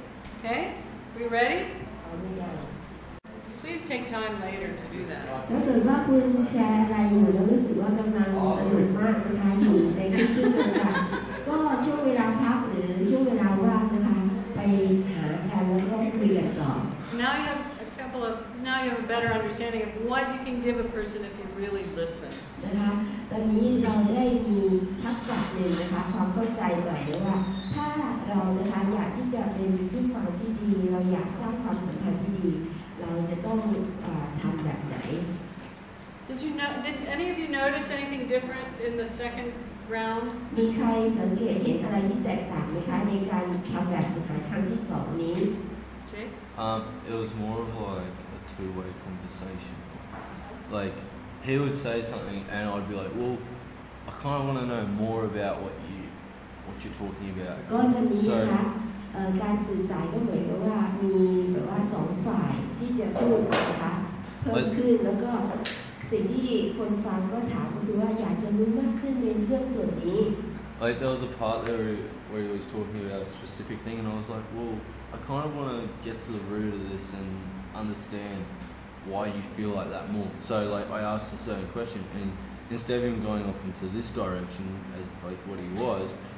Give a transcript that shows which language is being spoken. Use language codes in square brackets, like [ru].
[en] โอเคWe ready? Please take time later to do that. [th] ถ้าเกิดว่าคุณแชร์อะไรอยู่แล้วรู้สึกว่ากำลังสนุกมากนะคะอยู่ในที่ที่จำกัดก็ช่วงเวลาพักหรือช่วงเวลาว่างนะคะไปหาแทนแล้วก็คุยกันต่อ [en] Now you have a couple of now you have a better understanding of what you can give a person if you really listen. [th] นะคะตอนนี้เราได้มีทักษะหนึ่งนะคะความเข้าใจใหม่ว่าถ้าเรานะคะอยากที่จะเป็นผู้ฟังที่ดีเราอยากสร้างความสัมพันธ์ที่ดีเราจะต้องทำแบบไหน [en] Did you know did any of you notice anything different in the second round [th] มีใครสังเกตเห็นอะไรที่แตกต่างไหมคะในการทำแบบฝึกหัดครั้งที่สองนี้ [en] Jake it was more of like a two-way conversation like he would say something and I'd be like well I kind of want to know more about what you're talking about. [th] ก็มันมีนะคะการสื่อสารก็เหมือนกับว่ามีแบบว่าสองฝ่ายที่จะพูดนะคะเพิ่มขึ้นแล้วก็สิ่งที่คนฟังก็ถามก็คือว่าอยากจะรู้มากขึ้นในเรื่องส่วนนี้ [en] Like there was a part where he was talking about a specific thing and I was like, well, I kind of want to get to the root of this and understand why you feel like that more. So like I asked a certain question and instead of him going off into this direction as like what he was.